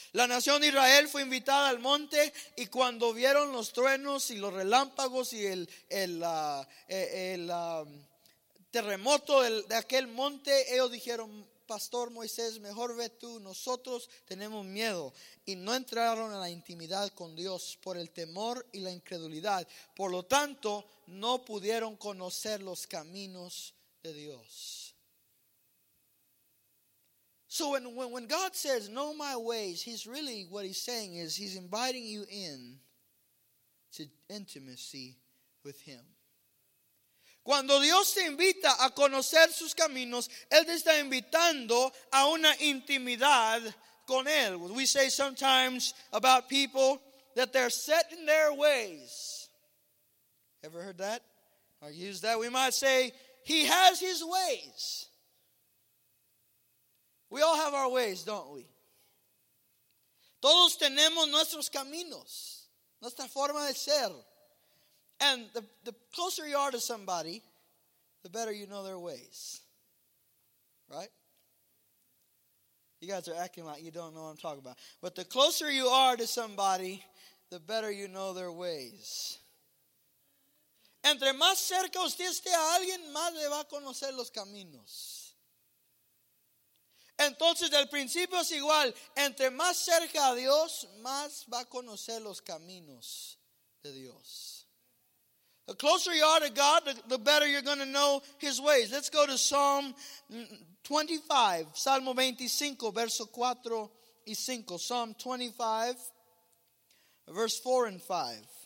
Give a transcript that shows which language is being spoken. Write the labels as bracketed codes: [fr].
[es] La nación de Israel fue invitada al monte y cuando vieron los truenos y los relámpagos y el terremoto de aquel monte, ellos dijeron, Pastor Moisés, mejor ve tú, nosotros tenemos miedo. Y no entraron a la intimidad con Dios por el temor y la incredulidad. Por lo tanto, no pudieron conocer los caminos de Dios. [en] So when God says, know my ways, he's really, what he's saying is, he's inviting you in to intimacy with him. [es] Cuando Dios te invita a conocer sus caminos, Él te está invitando a una intimidad con Él. [en] We say sometimes about people that they're set in their ways. Ever heard that? Or used that? We might say, he has his ways. We all have our ways, don't we? [es] Todos tenemos nuestros caminos, nuestra forma de ser. [en] And the closer you are to somebody, the better you know their ways. Right? You guys are acting like you don't know what I'm talking about. But the closer you are to somebody, the better you know their ways. [es] Entre más cerca usted esté a alguien, más le va a conocer los caminos. Entonces, el principio es igual. Entre más cerca a Dios, más va a conocer los caminos de Dios. [en] The closer you are to God, the better you're going to know his ways. Let's go to Psalm 25, [es] Salmo 25, verso 4 y 5. [en] Psalm 25, verse 4 and 5.